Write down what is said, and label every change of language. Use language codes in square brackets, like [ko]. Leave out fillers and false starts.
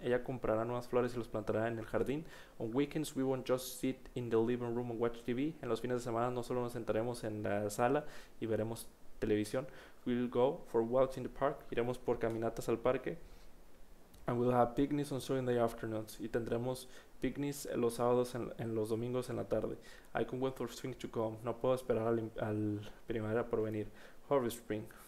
[es] Ella comprará nuevas flores y los plantará en el jardín. [en] On weekends we won't just sit in the living room and watch TV. [es] En los fines de semana no solo nos sentaremos en la sala y veremos televisión. [en] We'll go for walks in the park. [es] Iremos por caminatas al parque. [en] And we'll have picnics on Sunday afternoons. [es] Y tendremos picnics los sábados en los domingos en la tarde. [en] I can wait for spring to come. [es] No puedo esperar al primavera por venir. [en] Hurry, spring.